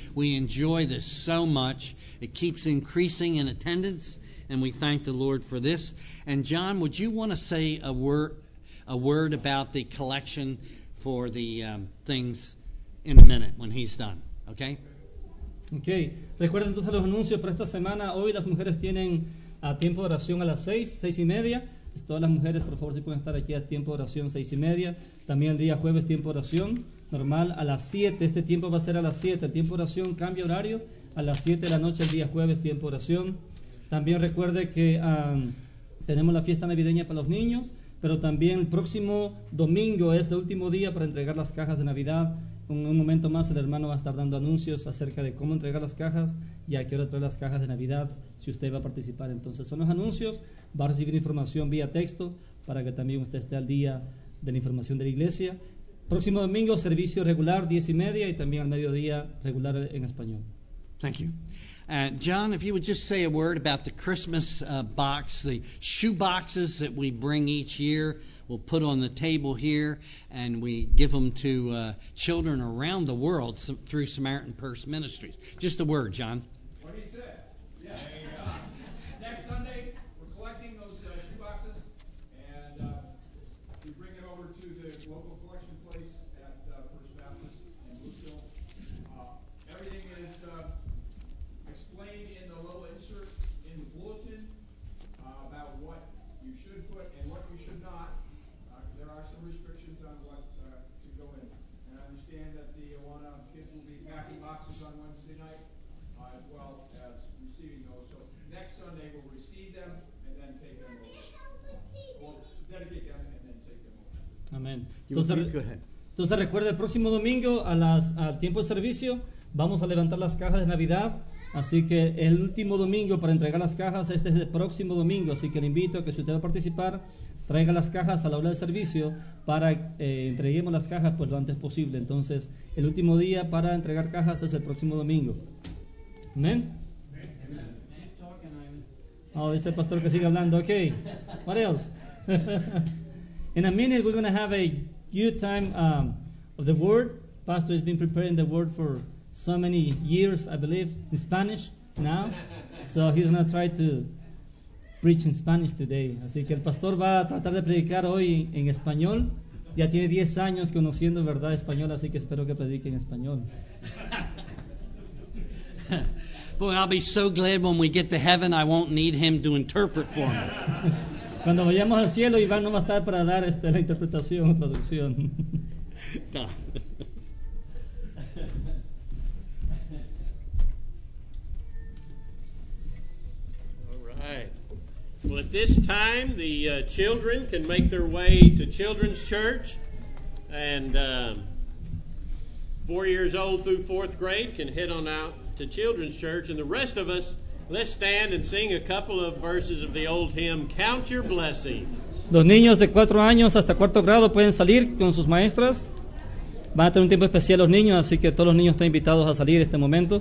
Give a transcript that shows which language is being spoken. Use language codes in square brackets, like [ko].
[en] We enjoy this so much. It keeps increasing in attendance, and we thank the Lord for this. And John, would you want to say a word about the collection for the things in a minute when he's done, okay? [es] Okay. Recuerden entonces los anuncios para esta semana. Hoy las mujeres tienen a tiempo de oración a las 6:30. Todas las mujeres, por favor, si pueden estar aquí a tiempo de oración, 6:30. También el día jueves, tiempo de oración normal a las 7. Este tiempo va a ser a las 7. El tiempo de oración cambia horario a las 7 de la noche el día jueves, tiempo de oración. También recuerde que tenemos la fiesta navideña para los niños, pero también el próximo domingo es el último día para entregar las cajas de Navidad. En un momento más el hermano va a estar dando anuncios acerca de cómo entregar las cajas y a qué hora traer las cajas de Navidad si usted va a participar. Entonces son los anuncios, va a recibir información vía texto para que también usted esté al día de la información de la iglesia. Próximo domingo servicio regular 10:30 y también al mediodía regular en español. [en] Thank you. John, if you would just say a word about the Christmas box, the shoe boxes that we bring each year, we'll put on the table here, and we give them to children around the world through Samaritan Purse Ministries. Just a word, John. What do you say? Yeah, next Sunday, we're collecting those shoe boxes, and we bring it over to the local collection place at First Baptist in Brookville. Everything is explained in the little insert in the bulletin about what you should put and what you should not. There are some restrictions on what can go in. And I understand that the Awana kids will be packing boxes on Wednesday night as well as receiving those. So next Sunday we'll receive them and then take them over. We'll dedicate them and then take them over. Amen. Go ahead. [es] Entonces recuerde, el próximo domingo al tiempo de servicio vamos a levantar las cajas de Navidad. Así que el último domingo para entregar las cajas, este es el próximo domingo. Así que le invito a que si usted va a participar, traiga las cajas a la hora del servicio para entreguemos las cajas pues lo antes posible. Entonces, el último día para entregar cajas es el próximo domingo. ¿Amén? Oh, dice el pastor que sigue hablando. Ok. [en] What else? In a minute, we're going to have a good time of the word. Pastor has been preparing the word for so many years, I believe, in Spanish now. So he's going to try to preach in Spanish today. [es] Así que el pastor va a tratar de predicar hoy en español. Ya tiene 10 años conociendo verdad español, así que espero que predique en español. [en] Boy, I'll be so glad when we get to heaven, I won't need him to interpret for me. [es] Cuando vayamos al cielo, Iván no va a estar para dar la interpretación o traducción. [en] No. All right. Well, at this time, the children can make their way to Children's Church. And 4 years old through fourth grade can head on out to Children's Church. And the rest of us, let's stand and sing a couple of verses of the old hymn, Count Your Blessings. [es] Los niños de 4 años hasta 4 grado pueden salir con sus maestras. Van a tener un tiempo especial los niños, así que todos los niños están invitados a salir este momento.